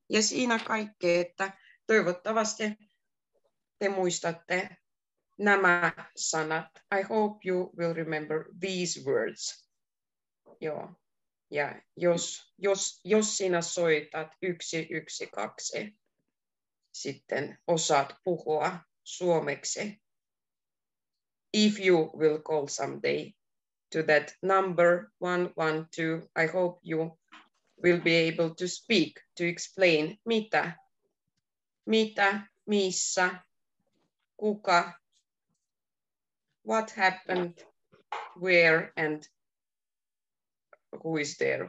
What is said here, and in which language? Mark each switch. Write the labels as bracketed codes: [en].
[fi] Ja siinä kaikki, että toivottavasti te muistatte nämä sanat. [en] I hope you will remember these words. [fi] Joo. Ja jos sinä soitat 112, sitten osaat puhua suomeksi. [en] If you will call someday to that number 112, I hope you will be able to speak, to explain [fi] mitä, missä, kuka, [en] what happened, where and who is there?